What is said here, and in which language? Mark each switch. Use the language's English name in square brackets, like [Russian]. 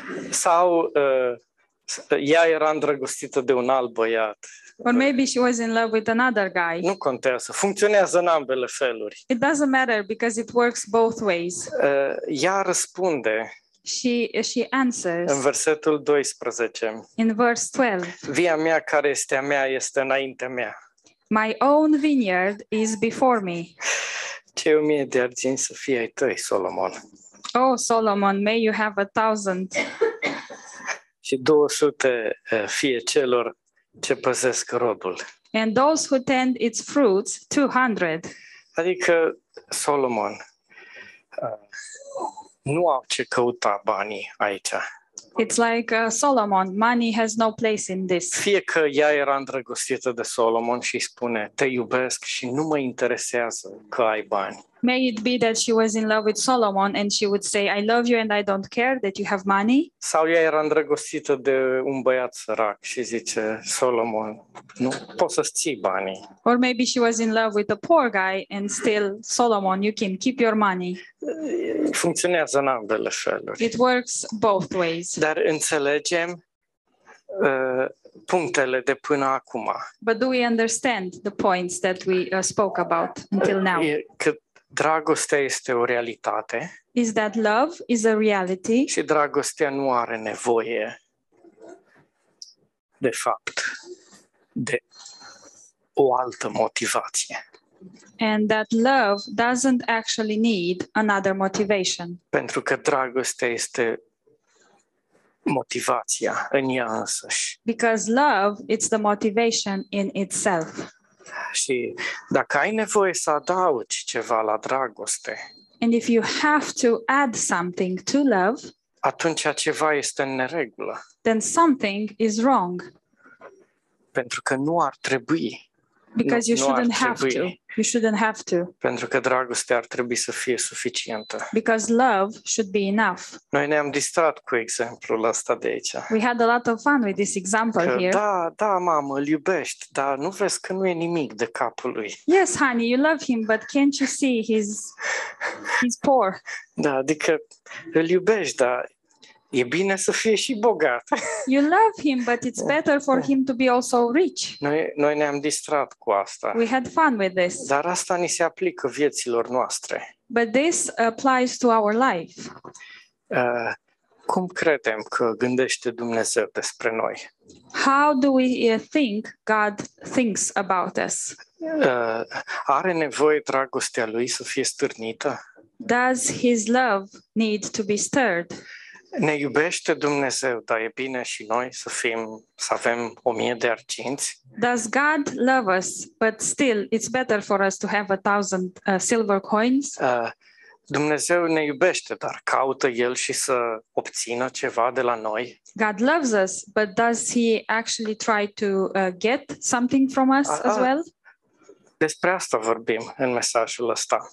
[Romanian] Sau ea era îndrăgostită de un alt băiat. [English] Or maybe she was in love with another guy. [Romanian] Nu contează, funcționează în ambele feluri. [English] It doesn't matter because it works both ways. [Romanian] Ea răspunde. [English] She answers. [Romanian] În versetul 12. [English] In verse 12. [Romanian] Via mea care este a mea este înaintea mea. [English] My own vineyard is before me. [Romanian] Ce 1000 de argint să fie ai tăi, Solomon. [English] Oh, Solomon, may you have 1,000. [Romanian] Și 200 fie celor ce păzesc rodul. [English] And those who tend its fruits, 200. [Romanian] Adică Solomon nu au ce căuta banii aici. [English] It's like Solomon, money has no place in this. [Romanian] Fie că ea era îndrăgostită de Solomon și spune, te iubesc și nu mă interesează că ai bani. [English] May it be that she was in love with Solomon and she would say, I love you and I don't care that you have money. [Romanian] Sau ea era îndrăgostită de un băiat sărac și zice, Solomon, nu poți să-ți ții banii. [English] Or maybe she was in love with a poor guy and still, Solomon, you can keep your money. [Romanian] Funcționează în ambele feluri. [English] It works both ways. [Romanian] Dar înțelegem punctele de până acum. [English] But do we understand the points that we spoke about until now? [Romanian] Dragostea este o realitate. [English] Is that love is a reality? [Romanian] Și dragostea nu are nevoie de fapt de o altă motivație. [English] And that love doesn't actually need another motivation. [Romanian] Pentru că dragostea este motivația în ea însăși. [English] Because love it's the motivation in itself. [Romanian] Și dacă ai nevoie să adaugi ceva la dragoste. [English] And if you have to add something to love, [Romanian] atunci ceva este în neregulă. [English] Then something is wrong. [Romanian] Pentru că nu ar trebui. [English] Because you shouldn't have to. You shouldn't have to. [Romanian] Pentru că dragostea ar trebui să fie suficientă. [English] Because love should be enough. [Romanian] Noi ne-am distrat cu exemplul ăsta de aici. [English] We had a lot of fun with this example [Romanian] că, [English] here. [Romanian] Da, da, mamă, îl iubești, dar nu vezi că nu e nimic de capul lui. [English] Yes, honey, you love him, but can't you see he's poor? [Romanian] Da, adică îl iubești, dar e bine să fie și bogat. [English] You love him, but it's better for him to be also rich. [Romanian] Noi ne-am distrat cu asta. [English] We had fun with this. [Romanian] Dar asta ni se aplică vieților noastre. [English] But this applies to our life. [Romanian] Cum credem că gândește Dumnezeu despre noi? [English] How do we think God thinks about us? [Romanian] Are nevoie dragostea lui să fie stârnită? [English] Does his love need to be stirred? [Romanian] Ne iubește Dumnezeu, dar e bine și noi să fim, să avem 1000 de arginți? [English] Does God love us, but still it's better for us to have 1000 silver coins? [Romanian] Dumnezeu ne iubește, dar caută El și să obțină ceva de la noi? [English] God loves us, but does He actually try to get something from us as well? [Romanian] Despre asta vorbim în mesajul ăsta.